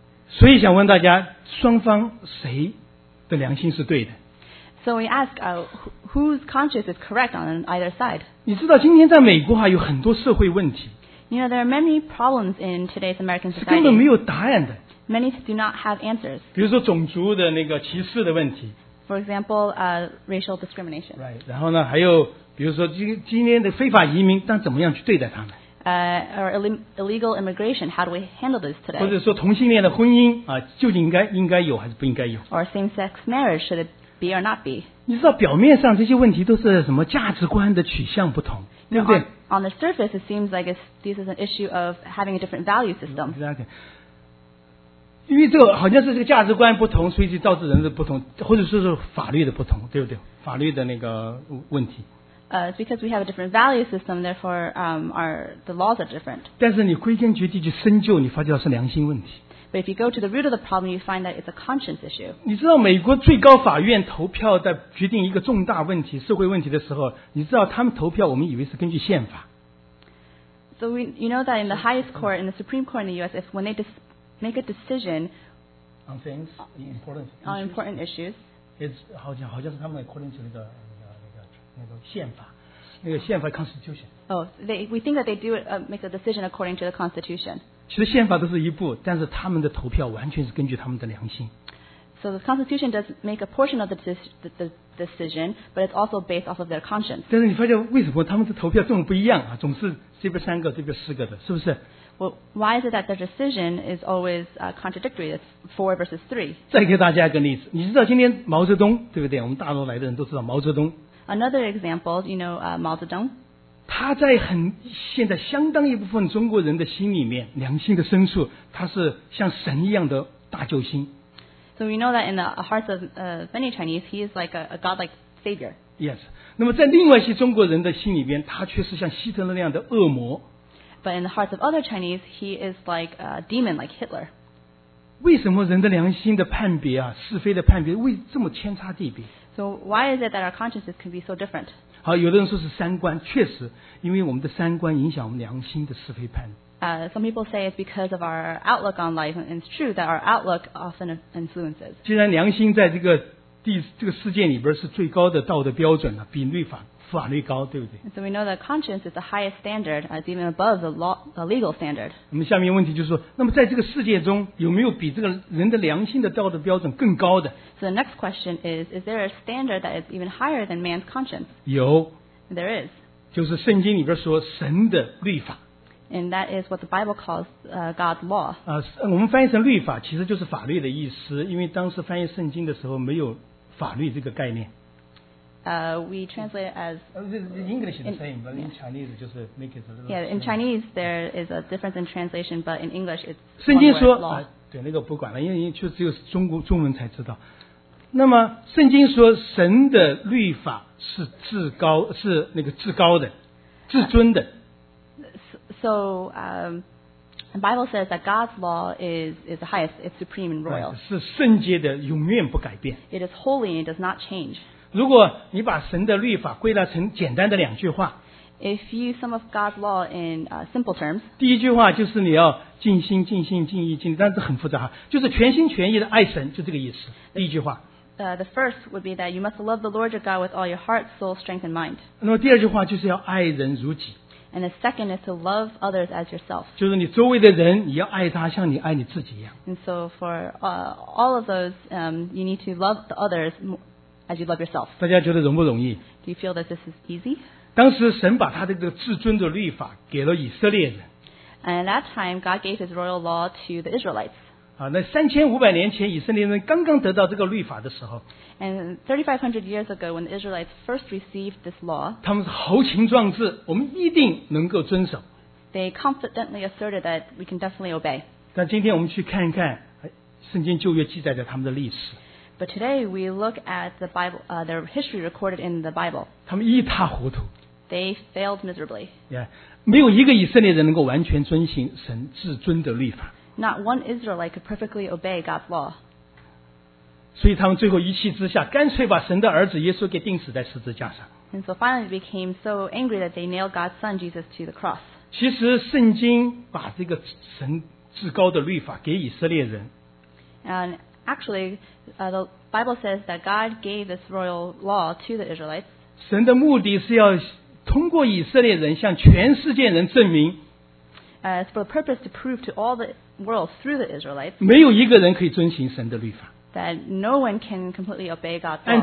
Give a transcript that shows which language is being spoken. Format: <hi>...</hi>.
<zh>所以想问大家，双方谁的良心是对的？</zh> <en>So we ask, whose conscience is correct on either side?</en> <zh>你知道今天在美国有很多社会问题。</zh> <en>You know, there are many problems in today's American society.</en> <zh>是根本没有答案的。</zh> <en>Many do not have answers.</en> <zh>比如说种族的那个歧视的问题。</zh> <en>For example, racial discrimination. Right.</en> <zh>然后呢，还有比如说今天的非法移民，但怎么样去对待他们？</zh> <en>Or illegal immigration, how do we handle this today?</en> <zh>或者说同性恋的婚姻啊，究竟应该有还是不应该有</zh> <en>？Or same-sex marriage, should it be or not be?</en> <zh>你知道表面上这些问题都是什么价值观的取向不同，对不对？</zh> <en>No, On the surface, it seems like this is an issue of having a different value system. Exactly.</en> <zh>因为这个好像是这个价值观不同，所以就导致人的不同，或者说是法律的不同，对不对？法律的那个问题。</zh> <en>It's because we have a different value system, therefore, the laws are different.</en> <zh>但是你归根结底去深究，你发觉是良心问题。</zh> <en>But if you go to the root of the problem, you find that it's a conscience issue.</en> <zh>你知道美国最高法院投票在决定一个重大问题、社会问题的时候，你知道他们投票，我们以为是根据宪法。</zh> <en>So you know that in the highest court, in the Supreme Court in the U.S., if when they make a decision on things, important issues, on important issues, it's</en> <zh>好像是他们</zh> <en>according to</en> <zh>那个宪法。那个宪法 constitution。</zh> <en>We think that they do make a decision according to the constitution.</en> <zh>其实宪法都是一步，但是他们的投票完全是根据他们的良心。</zh> <en>So the constitution does make a portion of the decision, but it's also based off of their conscience.</en> <zh>但是你发现为什么他们的投票这么不一样啊？总是这边三个，这边四个的，是不是</zh> <en>？Well, why is it that their decision is always contradictory? It's 4-3.</en> <zh>再给大家一个例子，你知道今天毛泽东对不对？我们大陆来的人都知道毛泽东。</zh> <en>Another example, you know, Mao Zedong.</en> <zh>他在现在相当一部分中国人的心里面，良心的深处，他是像神一样的大救星。</zh> <en>So we know that in the hearts of many Chinese, he is like a godlike savior. Yes.</en> <zh>那么在另外一些中国人的心里面，他却是像希特勒那样的恶魔。</zh> <en>But in the hearts of other Chinese, he is like a demon, like Hitler.</en> <zh>为什么人的良心的判别啊，是非的判别，为这么天差地别？</zh> <en>So why is it that our consciences can be so different?</en> <zh>好，有的人说是三观，确实，因为我们的三观影响我们良心的是非判。</zh> <en>Some people say it's because of our outlook on life, and it's true that our outlook often influences.</en> <zh>既然良心在这个世界里边是最高的道德标准了，比法律高，对不对？</zh> <en>So we know that conscience is the highest standard, even above the legal standard.</en> <zh>那么下面问题就是说，那么在这个世界中，有没有比这个人的良心的道德标准更高的？</zh> <en>So the next question is there a standard that is even higher than man's conscience?</en> <zh>有。</zh> <en>There is.</en> <zh>就是圣经里边说神的律法。</zh> <en>And that is what the Bible calls God's law.</en> <zh>我们翻译成律法其实就是法律的意思，因为当时翻译圣经的时候没有法律这个概念。</zh> <en>We translate it as English is the same, but in Chinese, just make it a little. Yeah, in Chinese there is a difference in translation, but in English it's.</en> <zh>圣经说</zh> <en>one word, law.</en> <zh>对那个不管了，因为就只有中国中文才知道。那么圣经说神的律法是至高，是那个至高的，至尊的。</zh> <en>So, the Bible says that God's law is the highest, it's supreme and royal.</en> <zh>是圣洁的，永远不改变。</zh> <en>It is holy and it does not change.</en> <zh>如果你把神的律法归纳成简单的两句话。</zh> <en>If you sum up God's law in simple terms.</en> <zh>第一句话就是你要尽心、尽性、尽意、尽力，但是很复杂哈，就是全心全意的爱神，就这个意思。第一句话。</zh> <en>The first would be that you must love the Lord your God with all your heart, soul, strength, and mind.</en> <zh>那么第二句话就是要爱人如己。</zh> <en>And the second is to love others as yourself.</en> <zh>就是你周围的人，你要爱他像你爱你自己一样。</zh> <en>And so for all of those, you need to love the others as you love yourself.</en> <zh>大家觉得容不容易？</zh> <en>Do you feel that this is easy?</en> <zh>当时神把他的这个至尊的律法给了以色列人。</zh> <en>And at that time, God gave His royal law to the Israelites.</en> <zh>那3500年前以色列人刚刚得到这个律法的时候。</zh> <en>And 3,500 years ago, when the Israelites first received this law,</en> <zh>他们是豪情壮志，我们一定能够遵守。</zh> <en>They confidently asserted that we can definitely obey.</en> <zh>但今天我们去看一看，圣经旧约记载着他们的历史。</zh> <en>But today we look at the Bible, their history recorded in the Bible.</en> <zh>他们一塌糊涂。</zh> <en>They failed miserably. Yeah,</en> <zh>没有一个以色列人能够完全遵行神至尊的律法。</zh> <en>Not one Israelite could perfectly obey God's law.</en> <zh>所以他们最后一气之下，干脆把神的儿子耶稣给钉死在十字架上。</zh> <en>And so finally, they became so angry that they nailed God's Son Jesus to the cross.</en> <zh>其实圣经把这个神至高的律法给以色列人。</zh> <en>And actually, the Bible says that God gave this royal law to the Israelites.</en> <zh>神的目的是要通过以色列人向全世界人证明。</zh> <en>It's for the purpose to prove to all the world through the Israelites.</en> <zh>没有一个人可以遵行神的律法。</zh> <en>That no one can completely obey God's law.</en>